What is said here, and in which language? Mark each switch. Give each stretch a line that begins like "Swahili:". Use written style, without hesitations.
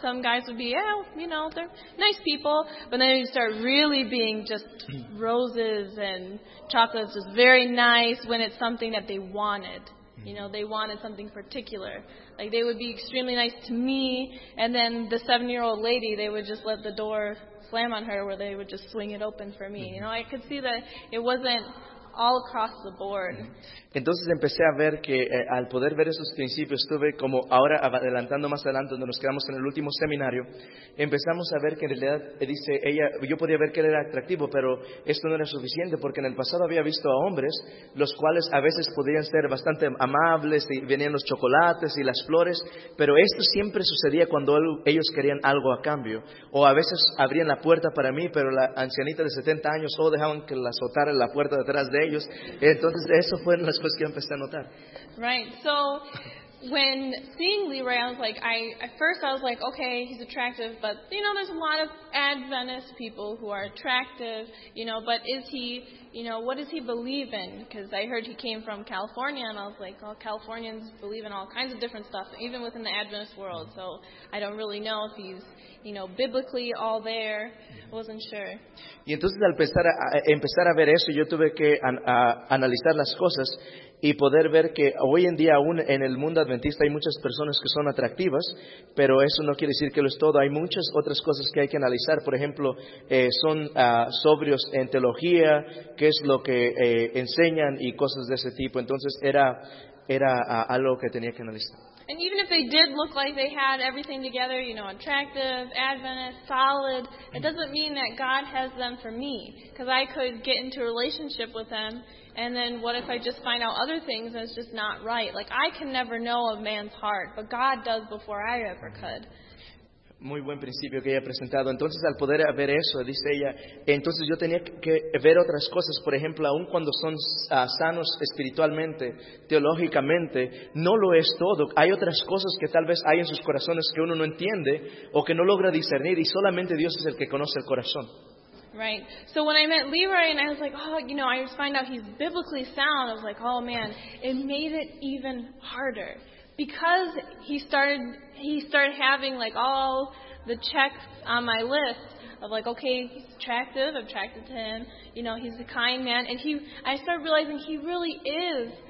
English: Some guys would be, yeah, you know, they're nice people, but then you start really being just roses and chocolates, just very nice when it's something that they wanted. You know, they wanted something particular. Like, they would be extremely nice to me, and then the 7-year-old lady, they would just let the door slam on her, where they would just swing it open for me. You know, I could see that it wasn't all across the board.
Spanish: Entonces empecé a ver que al poder ver esos principios, estuve como ahora adelantando más adelante donde nos quedamos en el último seminario, empezamos a ver que en realidad, dice ella, yo podía ver que él era atractivo, pero esto no era suficiente, porque en el pasado había visto a hombres los cuales a veces podían ser bastante amables y venían los chocolates y las flores, pero esto siempre sucedía cuando ellos querían algo a cambio, o a veces abrían la puerta para mí, pero la ancianita de 70 años solo dejaban que la azotara la puerta detrás de ellos. Entonces, eso fue una de las cosas que empecé a notar.
English: Right. So, when seeing Leroy, I was like, at first I was like, okay, he's attractive, but, you know, there's a lot of Adventist people who are attractive, you know, but is he, you know, what does he believe in? Because I heard he came from California, and I was like, well, Californians believe in all kinds of different stuff, even within the Adventist world, so I don't really know if he's, you know, biblically all there. I wasn't sure.
Spanish: Y entonces al empezar a ver eso, yo tuve que analizar las cosas, y poder ver que hoy en día aún en el mundo adventista hay muchas personas que son atractivas, pero eso no quiere decir que lo es todo. Hay muchas otras cosas que hay que analizar. Por ejemplo, son sobrios en teología, qué es lo que enseñan y cosas de ese tipo. Entonces era algo que tenía que analizar.
English: And even if they did look like they had everything together, you know, attractive, Adventist, solid, it doesn't mean that God has them for me. Because I could get into a relationship with them, and then what if I just find out other things and it's just not right? Like, I can never know a man's heart, but God does before I ever could.
Spanish: Muy buen principio que ella ha presentado. Entonces, al poder ver eso, dice ella, entonces yo tenía que ver otras cosas. Por ejemplo, aun cuando son sanos espiritualmente, teológicamente, no lo es todo. Hay otras cosas que tal vez hay en sus corazones que uno no entiende o que no logra discernir, y solamente Dios es el que conoce el corazón.
English: Right. So when I met Leroy and I was like, oh, you know, I just find out he's biblically sound, I was like, oh man, it made it even harder. Because he started having, like, all the checks on my list of, like, okay, he's attractive, I'm attracted to him, you know, he's a kind man, and I started realizing he really is.